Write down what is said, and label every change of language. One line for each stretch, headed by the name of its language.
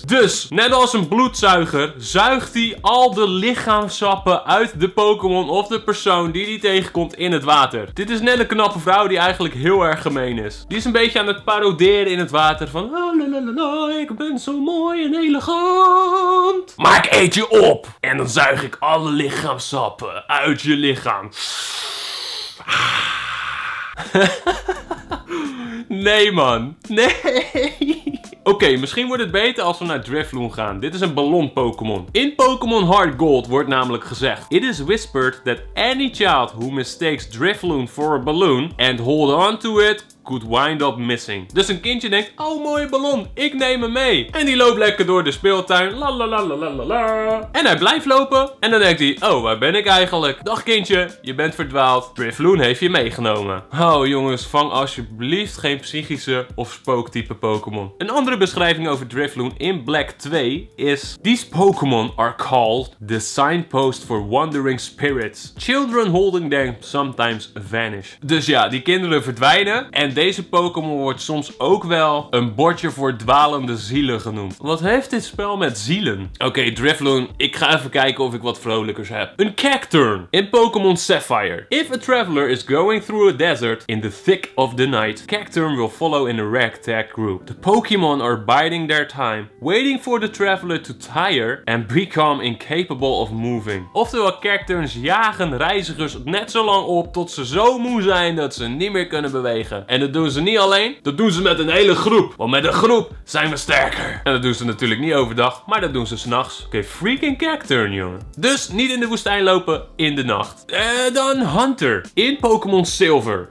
Dutch: Dus, net als een bloedzuiger, zuigt hij al de lichaamssappen uit de Pokémon of de persoon die hij tegenkomt in het water. Dit is net een knappe vrouw die eigenlijk heel erg gemeen is. Die is een beetje aan het paroderen in het water van oh, lalalala, ik ben zo mooi en elegant. Maar ik eet je op! En dan zuig ik alle lichaamssappen uit je lichaam. Nee, man. Nee. Oké, misschien wordt het beter als we naar Drifloon gaan. Dit is een ballon-Pokémon. In Pokémon Heart Gold wordt namelijk gezegd:
English: it is whispered that any child who mistakes Drifloon for a balloon and hold on to it could wind up missing.
Dutch: Dus een kindje denkt, oh mooie ballon, ik neem hem mee. En die loopt lekker door de speeltuin. La la la la la la. En hij blijft lopen. En dan denkt hij, oh waar ben ik eigenlijk? Dag kindje, je bent verdwaald. Drifloon heeft je meegenomen. Oh jongens, vang alsjeblieft geen psychische of spooktype Pokémon. Een andere beschrijving over Drifloon in Black 2 is:
English: these Pokémon are called the signpost for wandering spirits. Children holding them sometimes vanish.
Dutch: Dus ja, die kinderen verdwijnen. En deze Pokémon wordt soms ook wel een bordje voor dwalende zielen genoemd. Wat heeft dit spel met zielen? Oké, Drifloon, ik ga even kijken of ik wat vrolijkers heb. Een Cacturn in Pokémon Sapphire.
English: If a traveler is going through a desert in the thick of the night, Cacturn will follow in a ragtag group. The Pokémon are biding their time, waiting for the traveler to tire and become incapable of moving.
Dutch: Oftewel, Cacturns jagen reizigers net zo lang op tot ze zo moe zijn dat ze niet meer kunnen bewegen. En dat doen ze niet alleen, dat doen ze met een hele groep. Want met een groep zijn we sterker. En dat doen ze natuurlijk niet overdag, maar dat doen ze 's nachts. Oké, freaking Cacturn, jongen. Dus niet in de woestijn lopen in de nacht. Dan Hunter in Pokémon Silver.